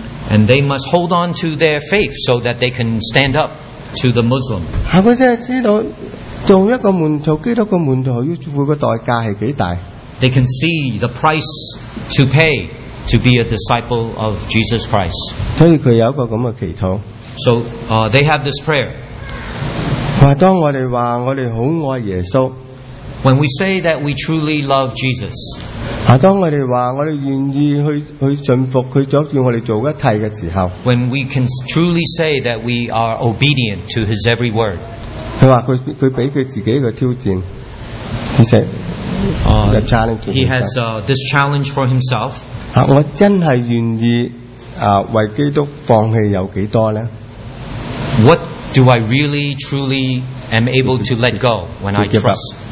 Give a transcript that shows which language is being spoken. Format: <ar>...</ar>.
<en>And they must hold on to their faith so that they can stand up to the Muslim.</en> <yue>佢真係知道做一個門徒，基督嘅門徒要付嘅代價係幾大。</yue> <en>They can see the price to pay to be a disciple of Jesus Christ.</en> <yue>所以佢有一個咁嘅祈禱。</yue> <en>So, they have this prayer.</en> <yue>當我哋話我哋好愛耶穌。</yue> <en>When we say that we truly love Jesus,</en> <yue>当我哋话我哋愿意去顺服佢，所叫我哋做一切嘅时候</yue> <en>，When we can truly say that we are obedient to His every word,</en> <yue>佢话佢俾佢自己一个挑战，佢食</yue> <en>一个 challenge。He has this challenge for himself.</en> <yue>我真系愿意为基督放弃有几多咧</yue> <en>？What do I really, truly am able to let go when I trust?</en>